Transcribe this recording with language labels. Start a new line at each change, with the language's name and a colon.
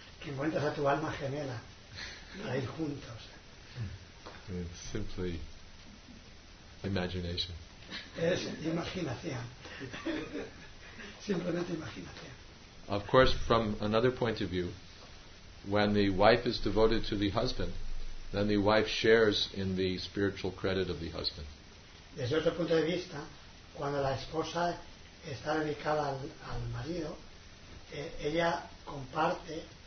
Spanish: Que encuentras a tu alma gemela para ir juntos.
English: It's simply imagination.
Spanish: Es imaginación. Simplemente imaginación.
English: Of course, from another point of view, when the wife is devoted to the husband, then the wife shares in the spiritual credit of the husband.
Spanish: Desde otro punto de vista, cuando la esposa está dedicada al marido, ella comparte